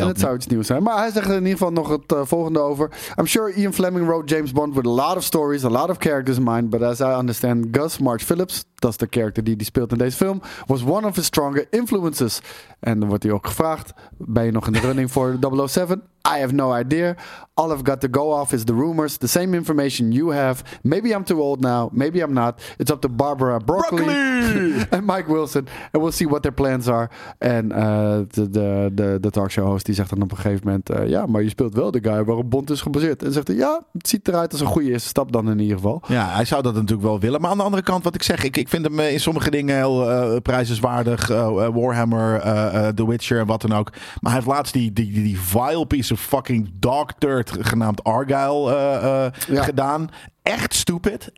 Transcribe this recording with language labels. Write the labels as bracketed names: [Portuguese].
[Dutch] En het zou iets nieuws zijn. Maar hij zegt er in ieder geval nog het volgende over. [English] I'm sure Ian Fleming wrote James Bond with a lot of stories, a lot of characters in mind, but as I understand, Gus Mark Phillips, [Dutch] dat is de character die speelt in deze film, [English] was one of his stronger influences. [Dutch] En dan wordt hij ook gevraagd, ben je nog in de running voor 007? [English] I have no idea. All I've got to go off is the rumors, the same information you have. Maybe I'm too old now, maybe I'm not. It's up to Barbara Broccoli and Mike Wilson, and we'll see what their plans are. [Dutch] En de talkshow host die zegt dan op een gegeven moment, ja, maar je speelt wel de guy waarop Bond is gebaseerd. En zegt hij, ja, het ziet eruit als een goede eerste stap dan in ieder geval. Ja, hij zou dat natuurlijk wel willen. Maar aan de andere kant, wat ik zeg, ik vind hem in sommige dingen heel prijzenswaardig. Warhammer, The Witcher en wat dan ook. Maar hij heeft laatst die [English] vile piece of fucking dog dirt [Dutch] genaamd Argyle gedaan. Echt stupid.